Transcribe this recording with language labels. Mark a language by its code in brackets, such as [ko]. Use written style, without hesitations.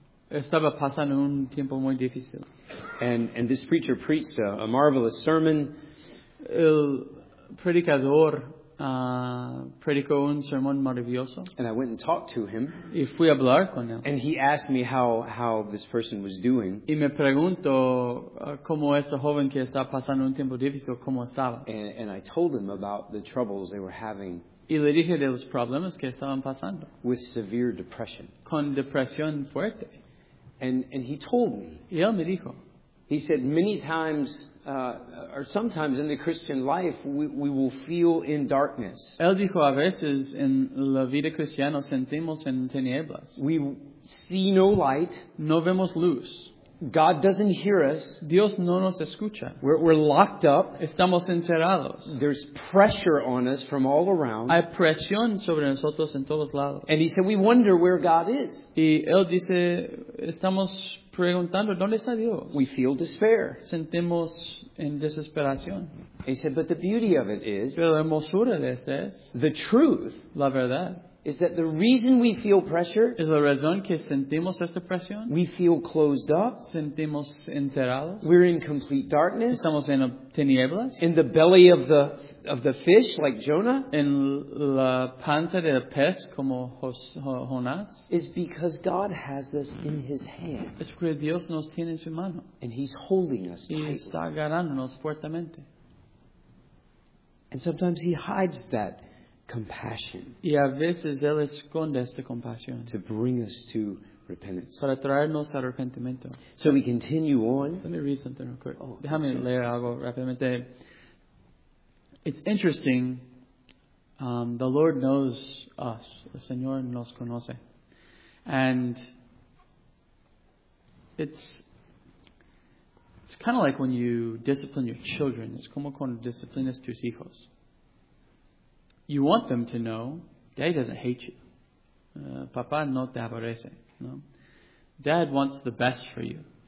[es] Estaba pasando un tiempo muy difícil. [en] And this preacher preached a marvelous sermon. [es] El predicador predicó un sermón maravilloso. [en] And I went and talked to him. [es] Y fui a hablar con él. [en] And he asked me how this person was doing. [es] Y me preguntó cómo ese joven que está pasando un tiempo difícil, cómo estaba. [en] And I told him about the troubles they were having. [es] Y le dije de los problemas que estaban pasando. [en] With severe depression. [es] Con depresión fuerte. [en] And he told me. [es] Y él me dijo. [en] He said many times, or sometimes in the Christian life, we will feel in darkness. [es] Él dijo a veces en la vida cristiana sentimos en tinieblas. [en] We see no light. [es] No vemos luz. [en] God doesn't hear us. [es] Dios no nos escucha. [en] We're locked up. [es] Estamos encerrados. [en] There's pressure on us from all around. [es] Hay presión sobre nosotros en todos lados. [en] And he said, we wonder where God is. [es] Y él dice, estamos preguntando, ¿dónde está Dios? [en] We feel despair. [es] Sentimos en desesperación. [en] He said, but the beauty of it is, [es] pero la hermosura de este es, [en] the truth, [es] la verdad, [en] is that the reason we feel pressure, [es] es la razón que sentimos esta presión, [en] we feel closed up, [es] sentimos encerrados, [en] we're in complete darkness, [es] estamos en tinieblas, [en] in the belly of the fish, like Jonah, [es] en la panza del pez como Jonás, [en] is because God has us in his hand. [es] Es porque Dios nos tiene en su mano. [en] And he's holding us tightly. [es] Y está agarrándonos fuertemente. [en] And sometimes he hides that compassion. [es] Y a veces él esconde esta compasión. [en] To bring us to repentance. [es] Para traernos arrepentimiento. [en] So we continue on. Let me read something real quick. [es] Oh, déjame leer algo rápidamente. [en] It's interesting. The Lord knows us. [es] El Señor nos conoce. [en] And it's kind of like when you discipline your children. [es] Es como cuando disciplinas tus hijos. [en] You want them to know, Dad doesn't hate you. [es] Papá no te aborrece. No? [en] Dad wants the best for you.